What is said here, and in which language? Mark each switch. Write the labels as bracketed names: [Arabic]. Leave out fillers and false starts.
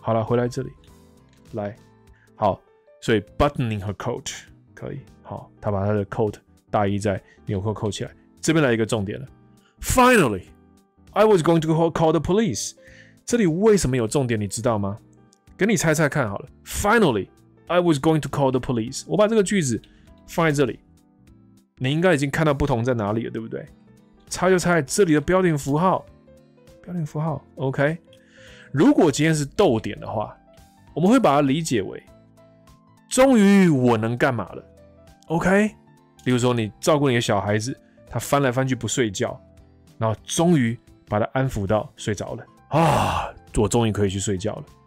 [Chinese] 好了，回来这里。来，好，所以 buttoning her coat 可以，好，他把他的 coat 大衣在纽扣扣起来。这边来一个重点了 ， [English] Finally， I was going to call the police。 [Chinese] 这里为什么有重点，你知道吗？给你猜猜看好了。 [English] Finally， I was going to call the police。 [Chinese] 我把这个句子放在这里，你应该已经看到不同在哪里了，对不对？猜就猜这里的标点符号，标点符号 ，OK。如果今天是逗点的话。我们会把它理解为，终于我能干嘛了 ？OK， 例如说你照顾你的小孩子，他翻来翻去不睡觉，然后终于把他安抚到睡着了啊，我终于可以去睡觉了。